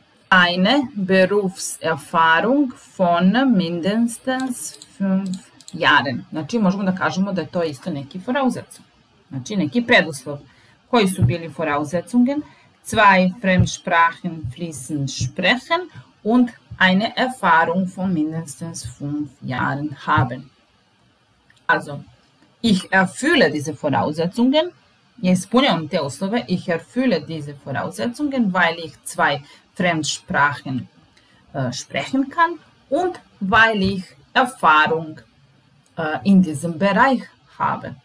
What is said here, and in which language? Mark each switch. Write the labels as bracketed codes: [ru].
[de] Eine Berufserfahrung von mindestens 5 Jahren. [sr] Znači, možemo da kažemo da je to isto neki Voraussetzung. Znači, neki preduslov. Koji su bili Voraussetzungen? [de] Zwei Fremdsprachen fließend sprechen und eine Erfahrung von mindestens 5 Jahren haben. Also, ich erfülle diese Voraussetzungen. [sr] Je ispunjam te uslove, [de] ich erfülle diese Voraussetzungen, weil ich zwei Fremdsprachen sprechen kann und weil ich Erfahrung in diesem Bereich habe.